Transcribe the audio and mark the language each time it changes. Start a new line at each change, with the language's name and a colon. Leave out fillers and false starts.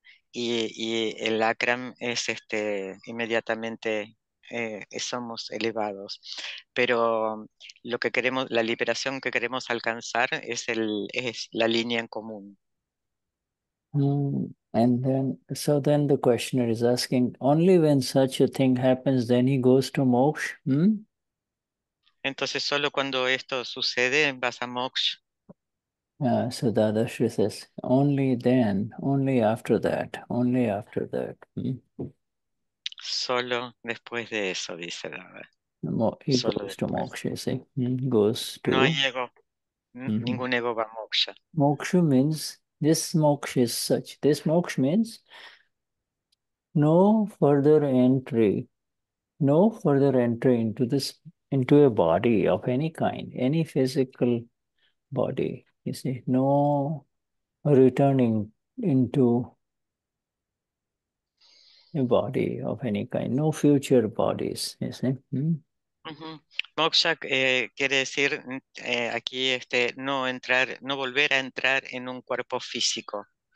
Spanish: y el acram es este inmediatamente somos elevados pero lo que queremos la liberación que queremos alcanzar es la línea en común.
English: And then the questioner is asking, only when such a thing happens, then he goes to moksha.
Spanish: Entonces, solo cuando esto sucede, vas a moksha.
English: So Dadashri says, only then, only after that, only after that.
Spanish: Solo después de eso, dice Dada.
English: He
Spanish: solo
English: goes
Spanish: después.
English: To moksha, you see. Goes to...
Spanish: No hay ego. Ningún ego va a moksha.
English: Moksha means... This moksha is such. This moksha means no further entry, no further entry into this, into a body of any kind, any physical body. You see, no returning into a body of any kind, no future bodies, you see.
Spanish: Moksha quiere decir aquí este no entrar, no volver a entrar en un cuerpo físico.